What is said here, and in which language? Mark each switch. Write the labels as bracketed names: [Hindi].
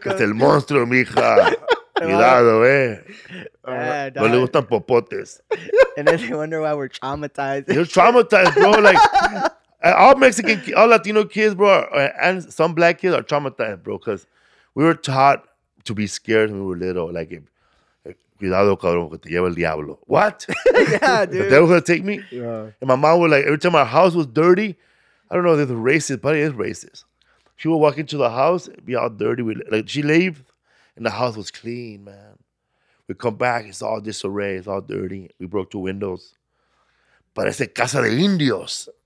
[Spanish] Es el monstruo, mija. Cuidado, eh. No le gustan popotes. [English] And then they wonder why we're traumatized. You're traumatized, bro. Like, all Mexican, all Latino kids, bro, and some black kids are traumatized, bro, because we were taught to be scared when we were little. Like, [Spanish] cuidado, cabrón, que te lleva el diablo. [English] What? Yeah, dude. The devil's going to take me? Yeah. And my mom would, like, every time our house was dirty, I don't know if it's racist, but it is racist. She would walk into the house, be all dirty. Like, she leave, and the house was clean, man. We come back, it's all disarray, it's all dirty. We broke two windows. [Spanish] Parece casa de indios.